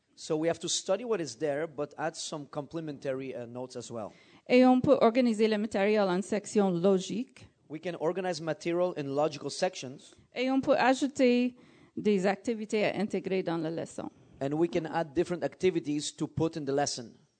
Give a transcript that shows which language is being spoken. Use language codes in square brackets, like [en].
[en] So we have to study what is there, but add some complementary notes as well. [fr] Et on peut organiser le matériel en sections logiques. [en] We can organize material in logical sections. [fr] Et on peut ajouter des activités à intégrer dans la leçon. [en] And we can add different activities to put in the lesson.